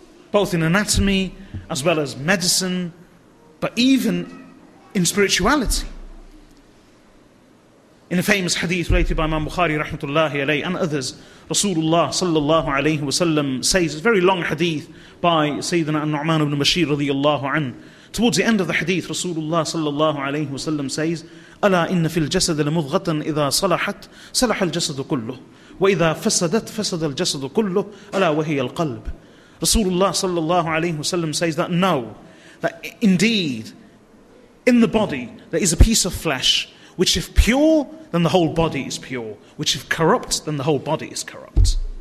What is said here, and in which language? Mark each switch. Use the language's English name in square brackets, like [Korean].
[English] Both in anatomy, as well as medicine, but even in spirituality. In a famous hadith related by Imam Bukhari rahmatullahi alayhi and others, Rasulullah sallallahu alayhi wa sallam says, it's a very long hadith by Sayyidina An-Nu'man ibn Bashir radiyallahu anhu. Towards the end of the hadith, Rasulullah sallallahu alayhi wa sallam says, [Arabic] أَلَا إِنَّ فِي الْجَسَدِ لَمُضْغَةً إِذَا صَلَحَتْ صَلَحَ الْجَسَدُ كُلُّهُ وَإِذَا فَسَدَتْ فَسَدَ الْجَسَدُ كُلُّهُ أَلَا وَهِيَ الْقَلْبِ. [English] Rasulullah sallallahu alayhi wa sallam says that no, that indeed, in the body there is a piece of flesh which if pure, then the whole body is pure. Which if corrupt, then the whole body is corrupt.